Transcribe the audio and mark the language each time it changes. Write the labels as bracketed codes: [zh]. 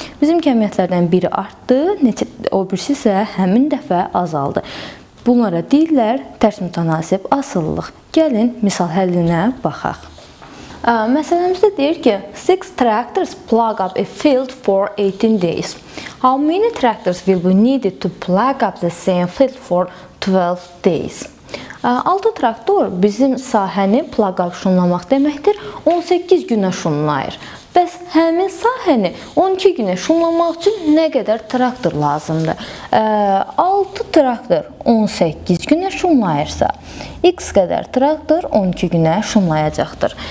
[az] Bizim kəmiyyətlərdən biri artdı, o birisi isə həmin dəfə azaldı. Bunlara deyirlər tərs mütənasib asılılıq. Gəlin misal həllinə baxaq. Məsələmizdə deyir ki, [en] 6 tractors plug up a field for 18 days. How many tractors will be needed to plug up the same field for 12 days? [az] 6 traktor bizim sahəni plug up şunlamaq deməkdir. 18 günə şunlayır. Bəs həmin sahəni 12 günə şunlamaq üçün nə qədər traktor lazımdır? 6 traktor 18 günə şunlayırsa, x qədər traktor 12 günə şunlayacaqdır.